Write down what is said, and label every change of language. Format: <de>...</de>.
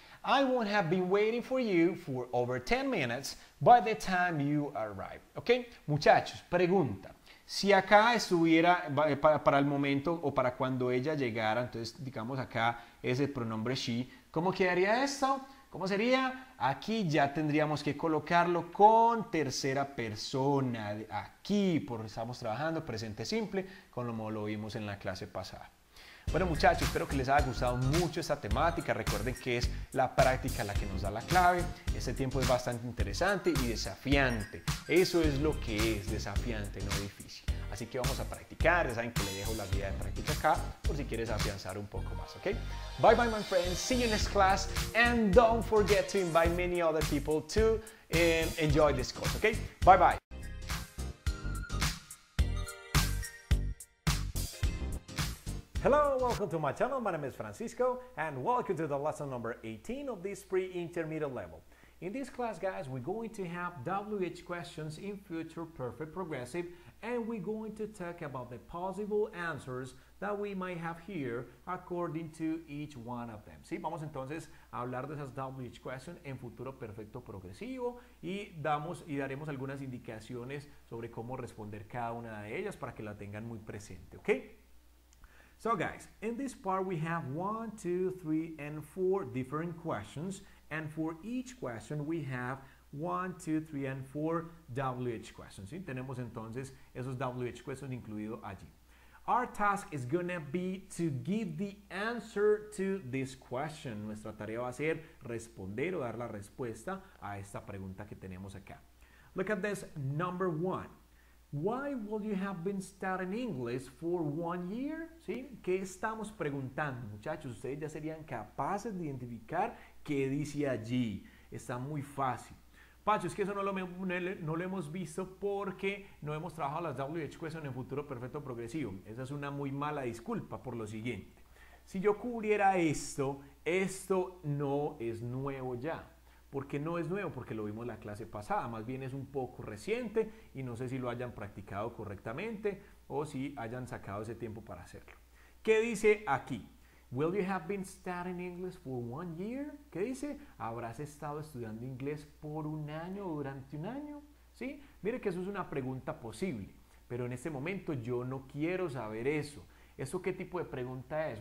<en>I won't have been waiting for you for over 10 minutes by the time you arrive.</en> <es>Okay? Muchachos, pregunta. Si acá estuviera para el momento o para cuando ella llegara, entonces digamos acá ese pronombre she, ¿cómo quedaría esto? ¿Cómo sería? Aquí ya tendríamos que colocarlo con tercera persona. Aquí, porque estamos trabajando presente simple, como lo vimos en la clase pasada. Bueno, muchachos, espero que les haya gustado mucho esta temática. Recuerden que es la práctica la que nos da la clave. Este tiempo es bastante interesante y desafiante. Eso es lo que es desafiante, no difícil. Así que vamos a practicar. Ya saben que le dejo la guía de práctica acá por si quieres afianzar un poco más, ¿ok?</es> <en>Bye, bye, my friends. See you next class. And don't forget to invite many other people to enjoy this course, ¿ok? Bye, bye. Hello, welcome to my channel. My name is Francisco, and welcome to the lesson number 18 of this pre-intermediate level. In this class, guys, we're going to have WH questions in future perfect progressive, and we're going to talk about the possible answers that we might have here according to each one of them.</en> <es>Sí, vamos entonces a hablar de esas WH questions en futuro perfecto progresivo y daremos algunas indicaciones sobre cómo responder cada una de ellas para que la tengan muy presente, ¿ok?</es> <en>So guys, in this part we have 1, 2, 3, and 4 different questions, and for each question we have 1, 2, 3, and 4 WH questions.</en> <es>¿Sí? Tenemos entonces esos WH questions incluidos allí.</es> <en>Our task is going to be to give the answer to this question.</en> <es>Nuestra tarea va a ser responder o dar la respuesta a esta pregunta que tenemos acá.</es> <en>Look at this, number 1. Why will you have been studying English for 1 year?</en> <es>¿Sí? ¿Qué estamos preguntando, muchachos? Ustedes ya serían capaces de identificar qué dice allí. Está muy fácil. Pacho, es que eso no lo hemos visto porque no hemos trabajado las WH questions en futuro perfecto progresivo. Esa es una muy mala disculpa por lo siguiente. Si yo cubriera esto, esto no es nuevo ya. ¿Por qué no es nuevo? Porque lo vimos la clase pasada. Más bien es un poco reciente y no sé si lo hayan practicado correctamente o si hayan sacado ese tiempo para hacerlo. ¿Qué dice aquí?</es> <en>Will you have been studying English for 1 year?</en> <es>¿Qué dice? ¿Habrás estado estudiando inglés por un año o durante un año? ¿Sí? Mire que eso es una pregunta posible, pero en este momento yo no quiero saber eso. ¿Eso qué tipo de pregunta es?</es>